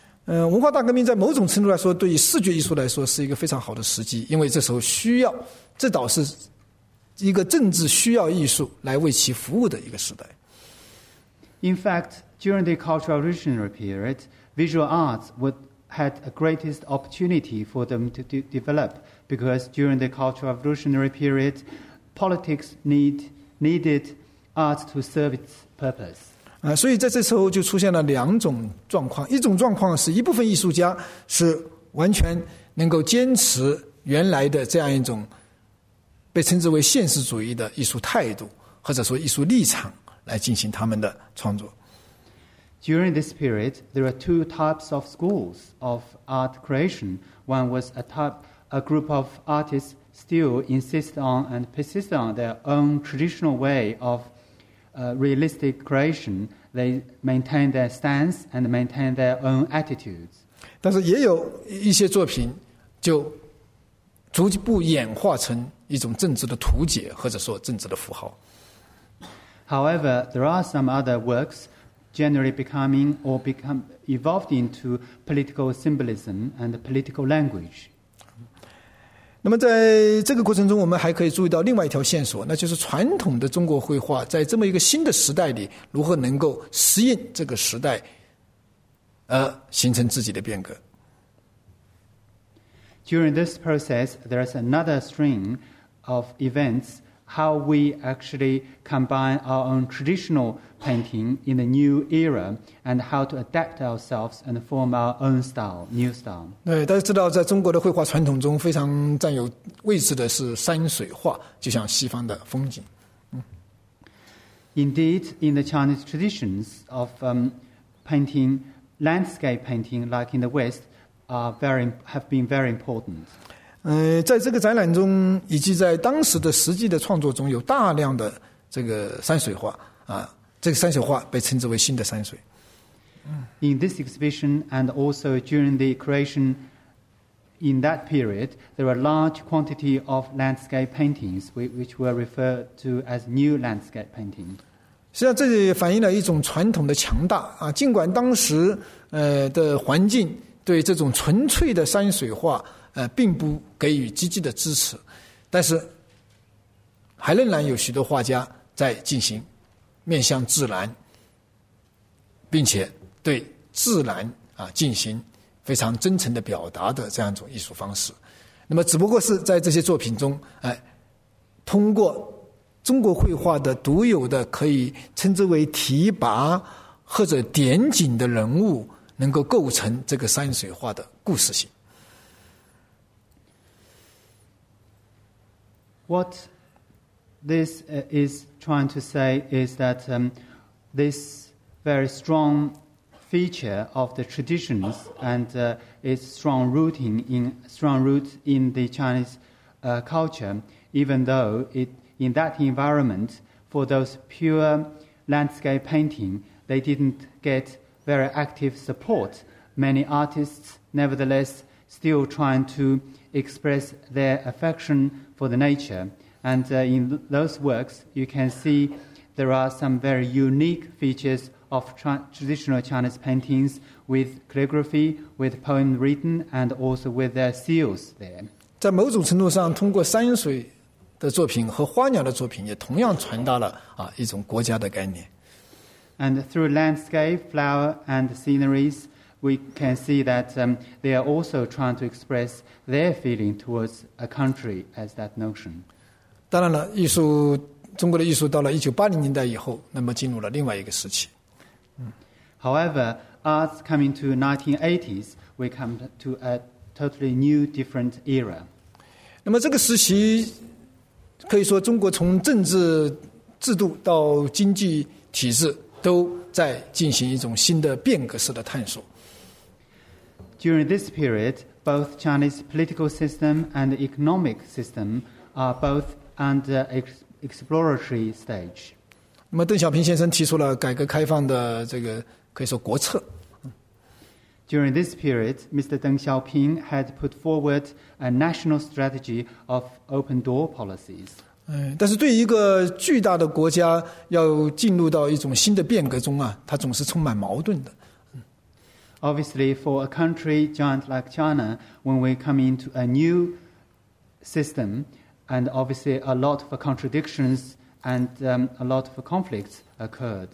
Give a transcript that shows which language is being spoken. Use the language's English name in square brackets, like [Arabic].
[Chinese] 文化大革命在某种程度来说对于视觉艺术来说是一个非常好的时机，因为这时候需要，这倒是一个政治需要艺术来为其服务的一个时代。 [English] In fact, during the Cultural Revolutionary period, visual arts had a greatest opportunity for them to develop because during the Cultural Revolutionary period, politics needed arts to serve its purpose. [Chinese] 所以在这时候就出现了两种状况，一种状况是一部分艺术家是完全能够坚持原来的这样一种被称之为现实主义的艺术态度或者说艺术立场来进行他们的创作。 [English] During this period there are two types of schools of art creation. One was a group of artists still insist on and persist on their own traditional way ofrealistic creation, they maintain their stance and maintain their own attitudes. [Chinese] 但是也有一些作品就逐步演化成一种政治的图解或者说政治的符号。 [English] However, there are some other works generally becoming or become evolved into political symbolism and political language. [Chinese] 那么在这个过程中我们还可以注意到另外一条线索，那就是传统的中国绘画在这么一个新的时代里如何能够适应这个时代而形成自己的变革。 [English] During this process there is another string of events how we actually combine our own traditional painting in a new era and how to adapt ourselves and form our own style, new style. [Chinese] 对，大家知道在中国的绘画传统中非常占有位置的是山水画，就像西方的风景。 [English] Indeed, in the Chinese traditions of painting, landscape painting like in the West, have been very important. [Chinese] 在这个展览中以及在当时的实际的创作中有大量的这个山水画这个山水画被称之为新的山水。 [English] In this exhibition and also during the creation in that period there were large quantity of landscape paintings which were referred to as new landscape painting. [Chinese] 实际上这也反映了一种传统的强大尽管当时的环境对这种纯粹的山水画并不给予积极的支持，但是还仍然有许多画家在进行面向自然，并且对自然进行非常真诚的表达的这样一种艺术方式。那么只不过是在这些作品中通过中国绘画的独有的可以称之为提拔或者点景的人物，能够构成这个山水画的故事性。 [English] What this is trying to say is that this very strong feature of the traditions and its strong root in the Chinese culture, even though it in that environment for those pure landscape painting they didn't get very active support. Many artists nevertheless still trying to express their affection for the nature, and in those works you can see there are some very unique features of traditional Chinese paintings with calligraphy, with poem written, and also with their seals there. [Chinese] 在某种程度上，通过山水的作品和花鸟的作品，也同样传达了一种国家的概念。 [English] And through landscape, flower, and sceneries, we can see that they are also trying to express their feeling towards a country as that notion. [Chinese] 当然了，艺术中国的艺术到了1980年代以后，那么进入了另外一个时期。 [English] However, arts coming to 1980s, we come to a totally new, different era. [Chinese] 那么这个时期，可以说中国从政治制度到经济体制都在进行一种新的变革式的探索。 [English] During this period, both Chinese political system and economic system are both under exploratory stage. [Chinese] 那么邓小平先生提出了改革开放的这个可以说国策。 [English] During this period, Mr. Deng Xiaoping had put forward a national strategy of open door policies. [Chinese] 但是对一个巨大的国家要进入到一种新的变革中它总是充满矛盾的。 [English] Obviously, for a country giant like China, when we come into a new system, and obviously a lot of contradictions and a lot of conflicts occurred.